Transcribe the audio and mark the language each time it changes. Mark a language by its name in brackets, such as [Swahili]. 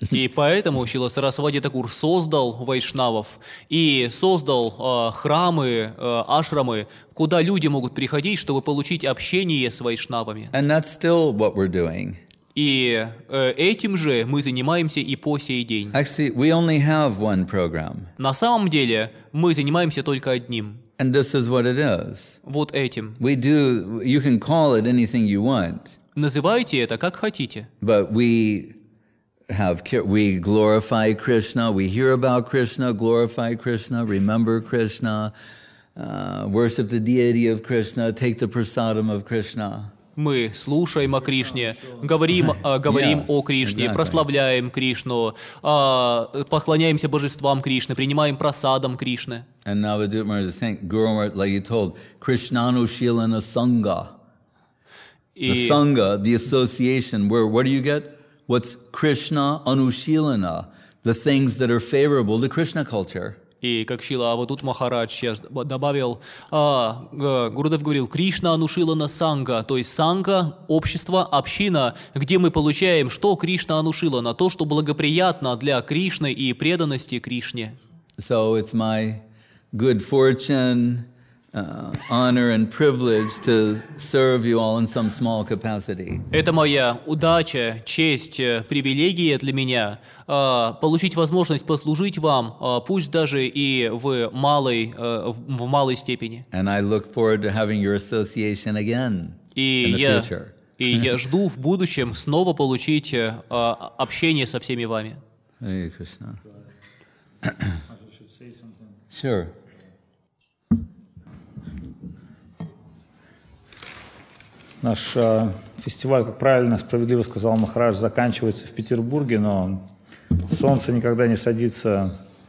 [Russian] И поэтому Шрила Сарасвати Такур создал вайшнавов и создал храмы, ашрамы, куда люди могут приходить, чтобы получить общение с вайшнавами. [English] And that's still what we're doing. [Russian] И этим же мы занимаемся и по сей день. [English] Actually, we only have one program. [Russian] На самом деле, мы занимаемся только одним. [English] And this is what it is. [Russian] Вот этим. [English] We do, you can call it anything you want. [Russian] Называйте это как хотите. [English] But we glorify Krishna, we hear about Krishna, glorify Krishna, remember Krishna, worship the deity of Krishna, take the prasadam of Krishna. [Russian] Мы слушаем о Кришне, говорим о Кришне, прославляем Кришну, поклоняемся божествам Кришны, принимаем прасадам Кришны. [English] And Navadvip Maharaj is saying, Guru Maharaj, like you told, Krishnanushilana Sangha. The Sangha, the association, where what do you get? What's Krishna Anushilana? The things that are favorable to Krishna culture. [Russian] И как Шрила Авадут Махарадж сейчас добавил, Гурудев говорил, Кришна Анушилана Санга, то есть Санга, общество, община, где мы получаем, что Кришна Анушилана, то, что благоприятно для Кришны и преданности Кришне. [English] So it's my good fortune honor and privilege to serve you all in some small capacity. [Russian] Это моя удача, честь, привилегия для меня получить возможность послужить вам, пусть даже и в малой степени. [English] And I look forward to having your association again in the future. [Russian] И я жду в будущем снова получить общение со всеми вами. [English] Hare Krishna. Sure. [Russian] Наш фестиваль, как правильно, справедливо сказал Махарадж, заканчивается в Петербурге, но солнце никогда не садится.